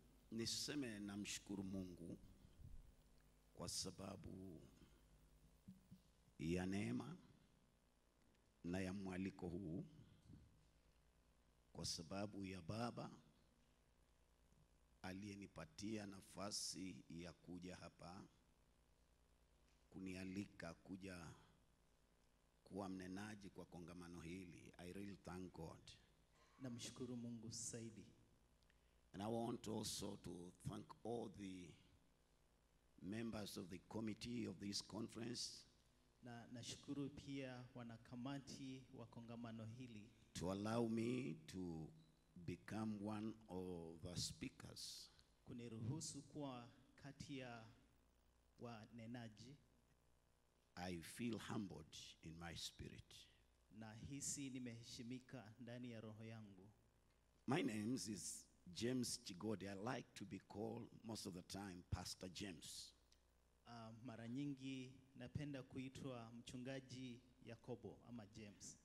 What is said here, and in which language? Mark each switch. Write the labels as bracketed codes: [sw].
[sw] Niseme namshukuru Mungu kwa sababu ya neema na ya mwaliko huu, kwa sababu ya Baba aliyenipatia nafasi ya kuja hapa kunialika kuja kuwa mnenaji kwa kongamano hili. [en] I really thank God. [sw] Namshukuru Mungu zaidi. [en] And I want also to thank all the members of the committee of this conference. [sw] Nashukuru pia wanakamati wa kongamano hili. [en] To allow me to become one of the speakers. [sw] Kuniruhusu kuwa kati ya wanenaji. [en] I feel humbled in my spirit. [sw] Na hisi nimeheshimika ndani ya roho yangu. [en] My name is James Chigodi. I like to be called most of the time Pastor James. [sw] Mara nyingi napenda kuitwa mchungaji Yakobo ama James.